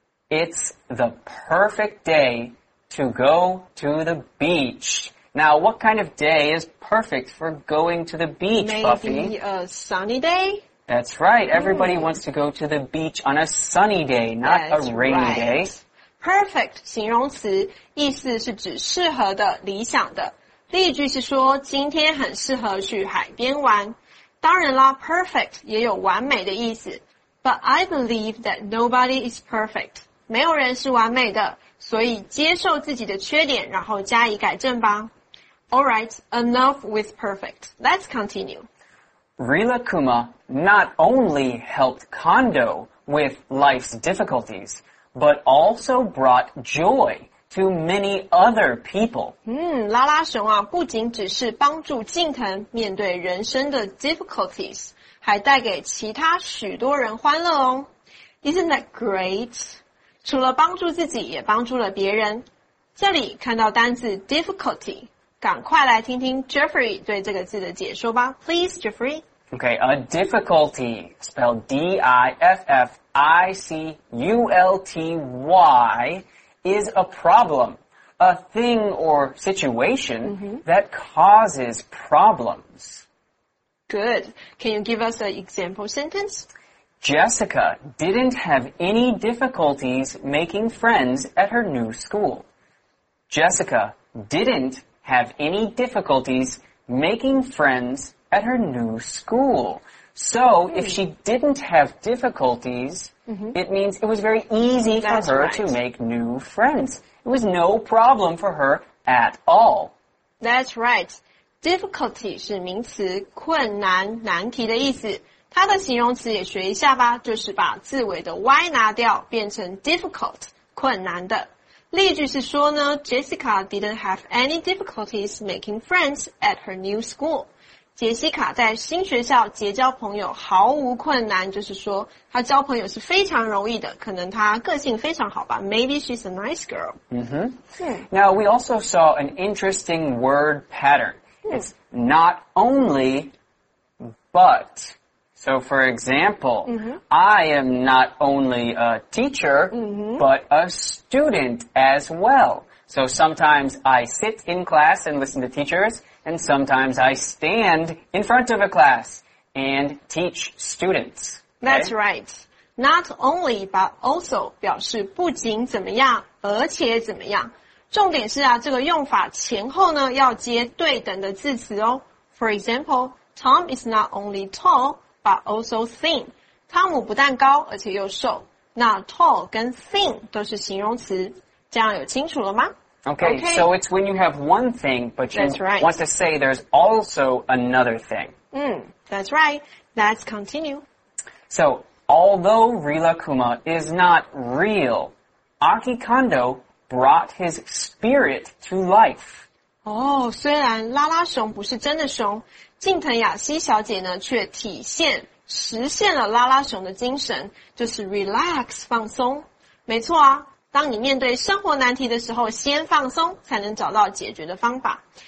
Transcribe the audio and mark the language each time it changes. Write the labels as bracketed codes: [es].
[en] It's the perfect day to go to the beach. Now, what kind of day is perfect for going to the beach, Buffy? Maybe a sunny day? That's right. Everybody wants to go to the beach on a sunny day, not a rainy day. [zh] Perfect, 形容词，意思是指适合的、理想的。例句是说，今天很适合去海边玩。当然啦 perfect 也有完美的意思。 [en] But I believe that nobody is perfect. [zh] 没有人是完美的。所以接受自己的缺点然后加以改正吧。 [en] Alright, enough with perfect. Let's continue. Rila Kuma not only helped Kondo with life's difficulties, but also brought joy to many other people. [zh] 拉拉熊啊，不仅只是帮助近藤面对人生的 difficulties， 还带给其他许多人欢乐哦。 [en] Isn't that great? [zh] 除了帮助自己，也帮助了别人。这里看到单字 difficulty， 赶快来听听 Jeffrey 对这个字的解说吧。 [en] Please, Jeffrey. Okay, a difficulty, spelled D-I-F-F-I-C-U-L-T-Y, is a problem, a thing or situation that causes problems. Good. Can you give us an example sentence? Jessica didn't have any difficulties making friends at her new school. Jessica didn't have any difficulties making friends at her new school. So, if she didn't have difficulties, it means it was very easy for her to make new friends. It was no problem for her at all. That's right. [zh] Difficulty 是名词，困难、难题的意思。它的形容词也学一下吧，就是把字尾的 y 拿掉，变成 difficult， 困难的。例句是说呢 [en] ，Jessica didn't have any difficulties making friends at her new school。 [zh] 杰西卡在新学校结交朋友毫无困难，就是说她交朋友是非常容易的。可能她个性非常好吧 ， [en] Maybe she's a nice girl。 Now we also saw an interesting word pattern. It's not only, but. So, for example, I am not only a teacher, but a student as well. So, sometimes I sit in class and listen to teachers, and sometimes I stand in front of a class and teach students. Okay? That's right. [zh] Not only, but also 表示不仅怎么样，而且怎么样。重点是啊，这个用法前后呢，要接对等的字词哦。 [en] For example, Tom is not only tall,but also thin. [zh] 汤姆不但高而且又瘦。那 tall 跟 thin 都是形容词。这样有清楚了吗？ [en] Okay, so it's when you have one thing, but you want to say there's also another thing. That's right. Let's continue. So, although Rila Kuma is not real, Aki Kondo brought his spirit to life. [zh] 虽然拉拉熊不是真的熊，近藤雅希小姐呢，却体现实现了拉拉熊的精神，就是 relax 放松。没错啊，当你面对生活难题的时候，先放松，才能找到解决的方法。